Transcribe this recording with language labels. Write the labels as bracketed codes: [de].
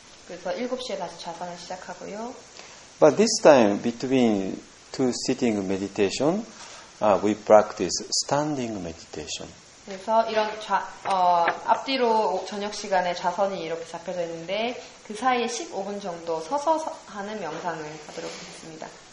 [ko] 그래서 7시에 다시 좌선을 시작하고요. [en] But this time between two sitting meditation, we practice standing meditation. [ko] 그래서 이런 앞뒤로 저녁 시간에 좌선이 이렇게 잡혀져 있는데 그 사이에 15분 정도 서서 하는 명상을 하도록 하겠습니다.